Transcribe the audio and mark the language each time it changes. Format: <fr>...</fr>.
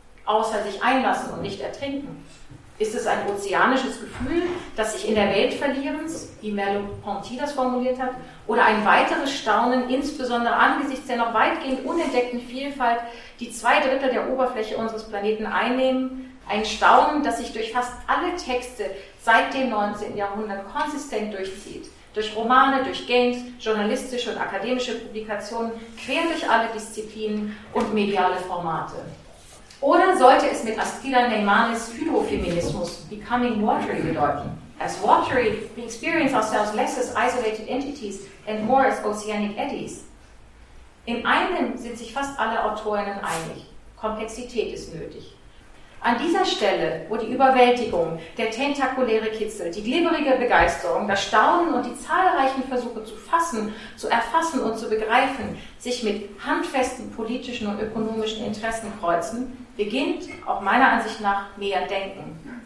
<de>Außer sich einlassen und nicht ertrinken. Ist es ein ozeanisches Gefühl, das sich in der Welt verlierens, wie Merleau-Ponty das formuliert hat, oder ein weiteres Staunen, insbesondere angesichts der noch weitgehend unentdeckten Vielfalt, die 2/3 der Oberfläche unseres Planeten einnehmen, ein Staunen, das sich durch fast alle Texte seit dem 19. Jahrhundert konsistent durchzieht, durch Romane, durch Games, journalistische und akademische Publikationen, quer durch alle Disziplinen und mediale Formate. Oder sollte es mit Astrida Neymanis Hydrofeminismus Becoming Watery bedeuten?</de> <en>As watery, we experience ourselves less as isolated entities and more as oceanic eddies.</en> <de>In einem sind sich fast alle Autorinnen einig. Komplexität ist nötig. An dieser Stelle, wo die Überwältigung, der tentakuläre Kitzel, die glibberige Begeisterung, das Staunen und die zahlreichen Versuche zu fassen, zu erfassen und zu begreifen, sich mit handfesten politischen und ökonomischen Interessen kreuzen, beginnt, auch meiner Ansicht nach, mehr Denken.</de>